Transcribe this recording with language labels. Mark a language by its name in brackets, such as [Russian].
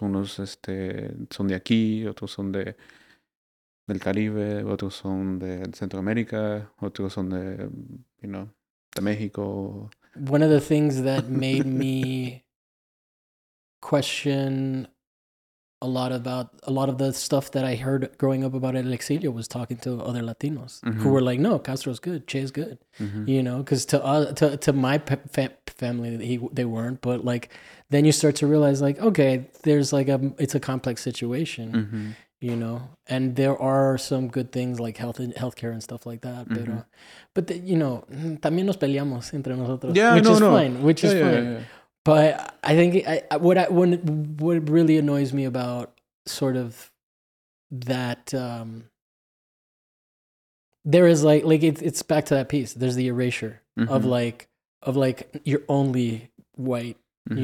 [Spanish] Unos son de aquí, otros son de... del Caribe, otros son de Centroamérica, otros son de, [English] you know, [Spanish] de México. [English] One of the things that made me question a lot of the stuff that I heard growing up about El Exilio was talking to other Latinos who were like, no, Castro's good, Che is good, you know, because to my family, they weren't. But like, then you start to realize like, okay, there's like it's a complex situation. Mm-hmm. You know, and there are some good things like healthcare and stuff like that. [Spanish] Pero, [English] but the, you know, [Spanish] también nos peleamos entre nosotros. [English] Yeah, which no. Fine, which is fine. Yeah. But I think what really annoys me about sort of that, there is like it's back to that piece. There's the erasure of like you're only white. Mm-hmm.